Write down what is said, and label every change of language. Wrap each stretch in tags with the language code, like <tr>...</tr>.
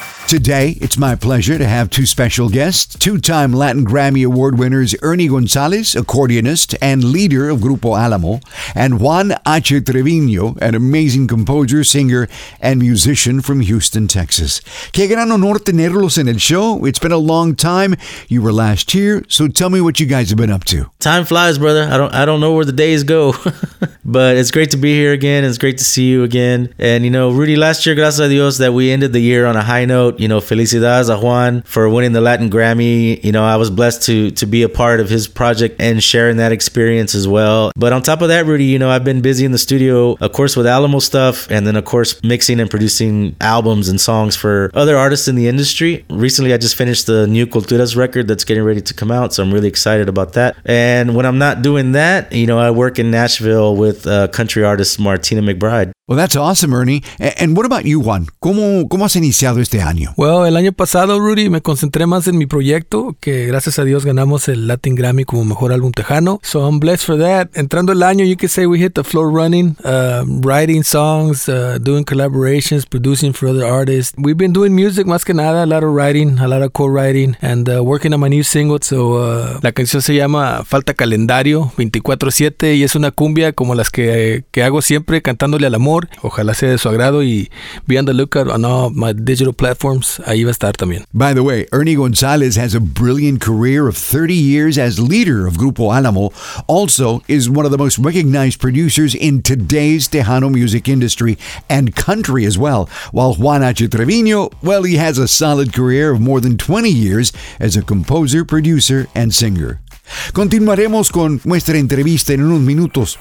<en>Today, it's my pleasure to have two special guests, two-time Latin Grammy Award winners Ernie Gonzalez, accordionist and leader of Grupo Alamo, and Juan H. Treviño, an amazing composer, singer, and musician from Houston, Texas.</en> <es>Qué gran honor tenerlos en el show.</es> <en>It's been a long time. You were last here, so tell me what you guys have been up to. Time flies, brother. I don't know where the days go, but it's great to be here again. It's great to see you again. And, you know, Rudy, last year,</en> <es>gracias a Dios,</es> <en>that we ended the year on a high note. You know,</en> <es>felicidades a Juan</es> <en>for winning the Latin Grammy. You know, I was blessed to be a part of his project and sharing that experience as well. But on top of that, Rudy, you know, I've been busy in the studio, of course, with Alamo stuff, and then, of course, mixing and producing albums and songs for other artists in the industry. Recently, I just finished the new Culturas record that's getting ready to come out, so I'm really excited about that. And when I'm not doing that, you know, I work in Nashville with country artist Martina McBride. Well, that's awesome, Ernie. And what about you, Juan?</en> <es>¿Cómo has iniciado este año? Well, el año pasado, Rudy, me concentré más en mi proyecto, que gracias a Dios ganamos el Latin Grammy como mejor álbum tejano.</es> <en>So I'm blessed for that.</en> <es>Entrando el año,</es> <en>you could say we hit the floor running, writing songs, doing collaborations, producing for other artists. We've been doing music,</en> <es>más que nada,</es> <en>a lot of writing, a lot of co-writing, and working on my new single.</en> <es>So la canción se llama Falta Calendario 24/7 y es una cumbia como las que hago siempre, cantándole al amor. Ojalá sea de su agrado y</es> <en>be on the lookout on all my digital platforms.</en> <es>Ahí va a estar también.</es> <en>By the way, Ernie Gonzalez has a brilliant career of 30 years as leader of Grupo Alamo. Also is one of the most recognized producers in today's Tejano music industry and country as well. While Juan H. Treviño, well, he has a solid career of more than 20 years as a composer, producer, and singer.</en> <es>Continuaremos con nuestra entrevista en unos minutos.</es>